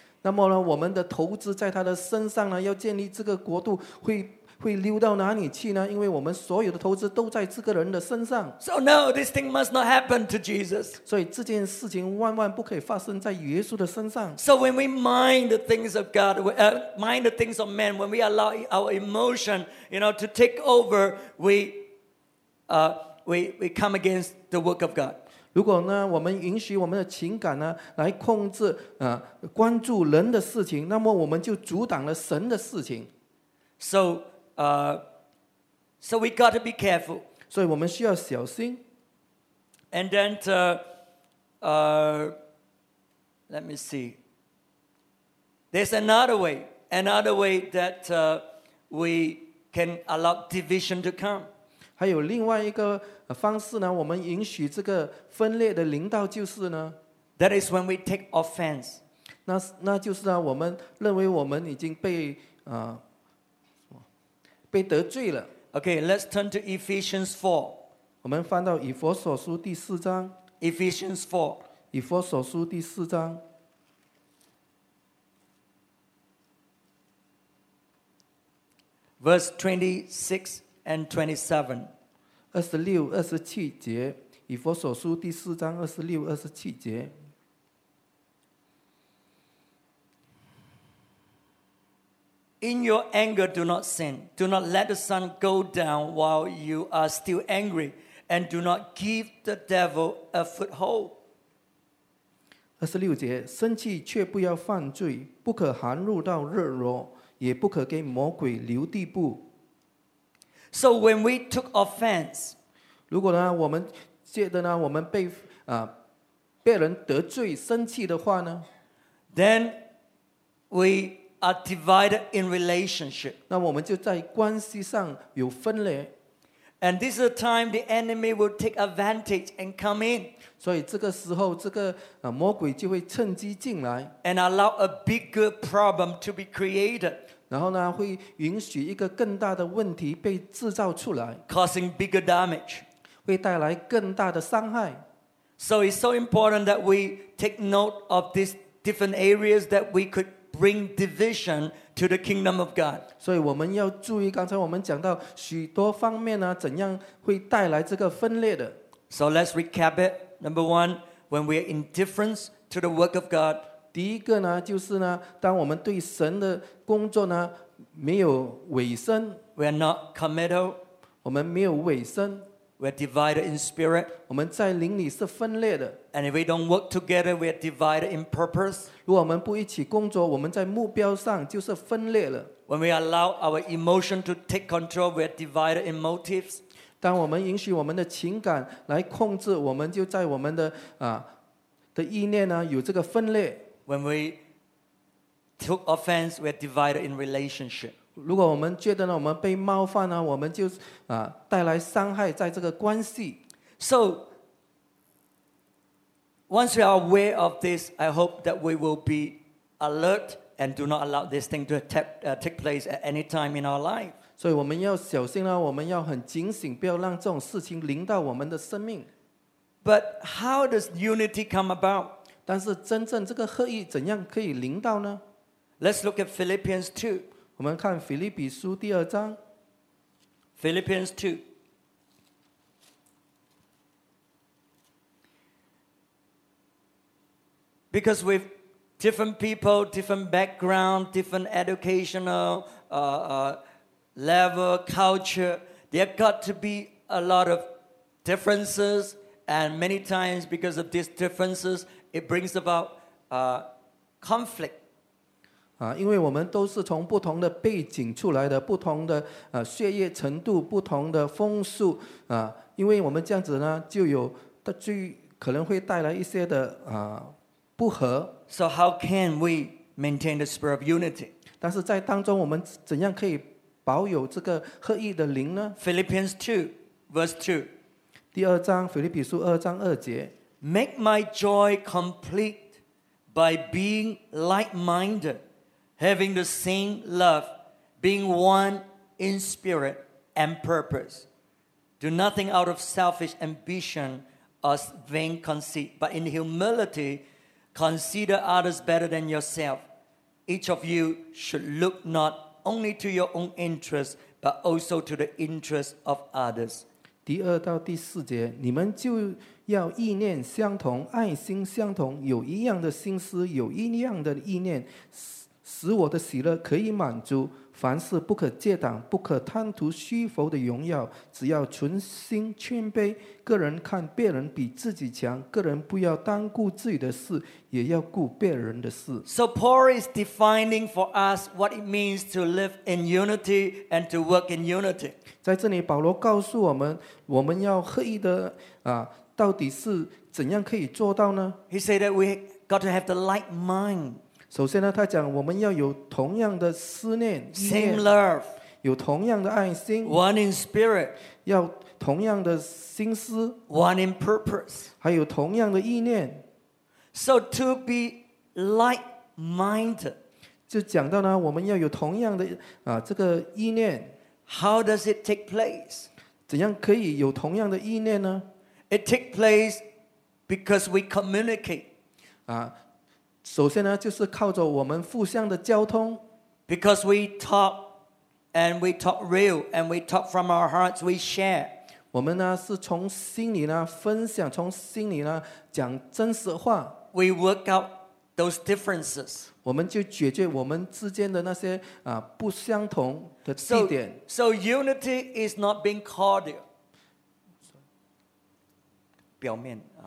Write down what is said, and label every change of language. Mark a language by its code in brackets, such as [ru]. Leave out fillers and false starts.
[zh] 那么呢，我们的投资在他的身上呢，要建立这个国度会溜到哪里去呢？因为我们所有的投资都在这个人的身上。 [en] So no, this thing must not happen to Jesus. [zh] 所以这件事情万万不可以发生在耶稣的身上。 [en] So when we mind the things of God, mind the things of man, when we allow our emotion, you know, to take over, we come against the work of God. [zh] 如果呢，我们允许我们的情感呢，来控制关注人的事情，那么我们就阻挡了神的事情。 [en] SoSo we got to be careful. [zh] 所以我们需要小心。 [en] And then, let me see. There's another way that we can allow division to come. [zh] 还有另外一个方式呢，我们允许这个分裂的领导就是呢。 [en] That is when we take offense. [zh] 那就是呢，我们认为我们已经被得罪了。 [en] Okay, let's turn to Ephesians 4. [zh] 我们翻到以弗所书第四章。 [en] Ephesians 4. [zh] 以弗所书第四章。 [en] Verse 26 and 27. [zh] 26-27节。以弗所书第四章26-27节。 [en] In your anger, do not sin. Do not let the sun go down while you are still angry, and do not give the devil a foothold. [zh] 26节，生气却不要犯罪，不可含怒到日落，也不可给魔鬼留地步。 [en] So when we took offense, [zh] 如果呢，我们觉得呢，我们被人得罪生气的话呢 [en] ，then we. Are divided in relationship. [zh] 那我们就在关系上有分裂。 [en] And this is the time the enemy will take advantage and come in. [zh] 所以这个时候，这个魔鬼就会趁机进来。 [en] And allow a bigger problem to be created. [zh] 然后呢，会允许一个更大的问题被制造出来。 [en] Causing bigger damage. [zh] 会带来更大的伤害。 [en] So it's so important that we take note of these different areas that we could. Bring division to the kingdom of God. [zh] 所以我们要注意，刚才我们讲到许多方面呢，怎样会带来这个分裂的。 [en] So let's recap it. Number one, when we are indifferent to the work of God. [zh] 第一个呢，就是呢，当我们对神的工作呢没有委身 [en] ，we are not committed. [zh] 我们没有委身 [en] ，we are divided in spirit. [zh] 我们在灵里是分裂的。 [en] And if we don't work together, we are divided in purpose. [zh] 如果我们不一起工作，我们在目标上就是分裂了。 [en] When we allow our emotion to take control, we are divided in motives. [zh] 当我们允许我们的情感来控制，我们就在我们的意念呢有这个分裂。 [en] When we took offense, we are divided in relationship. [zh] 如果我们觉得呢我们被冒犯呢我们就啊带来伤害在这个关系。 [en] So, once we are aware of this, I hope that we will be alert and do not allow this thing to take place at any time in our life. [zh] 所以我们要小心呢我们要很警醒不要让这种事情临到我们的生命。 [en] But how does unity come about? [zh] 但是真正这个合一怎样可以临到呢 [en] ?Let's look at Philippians 2. [zh] 我们看腓立比书第二章 [en] Philippians 2 Because with different people, different background, different educational level, culture, there got to be a lot of differences and many times because of these differences, it brings about conflict. [zh] 因为我们都是从不同的背景出来的不同的血液程度不同的风俗因为我们这样子呢就有就可能会带来一些的不和 [en] So how can we maintain the spirit of unity? [zh] 但是在当中我们怎样可以保有这个合一的灵呢 [en] Philippians 2 verse 2 [zh] 第二章腓立比书二章二节 [en] Make my joy complete by being like-mindedHaving the same love, being one in spirit and purpose. Do nothing out of selfish ambition or vain conceit, but in humility, consider others better than yourself. Each of you should look not only to your own interests, but also to the interests of others. [zh] 第二到第四节，你们就要意念相同，爱心相同，有一样的心思，有一样的意念。使我的喜乐可以满足凡事不可借挡不可贪图虚浮的荣耀只要存心谦卑个人看别人比自己强个人不要单顾自己的事也要顾别人的事 [en] So Paul is defining for us what it means to live in unity and to work in unity [zh] 在这里保罗告诉我们我们要合一的到底是怎样可以做到呢 [en] He said that we got to have the like mind [zh] 首先呢他讲我们要有同样的思念 [en] Same love [zh] 有同样的爱心 [en] One in spirit [zh] 要同样的心思 [en] One in purpose [zh] 还有同样的意念 [en] So to be like-minded [zh] 就讲到呢我们要有同样的这个意念 [en] How does it take place? [zh] 怎样可以有同样的意念呢 [en] It takes place because we communicate [zh] 首先呢就是靠着我们互相的交通 [en] Because we talk and we talk real and we talk from our hearts we share [zh] 我们呢是从心里呢分享从心里呢讲真实话 [en] We work out those differences [zh] 我们就解决我们之间的那些不相同的地点 [en] So unity is not being cordial [zh] 表面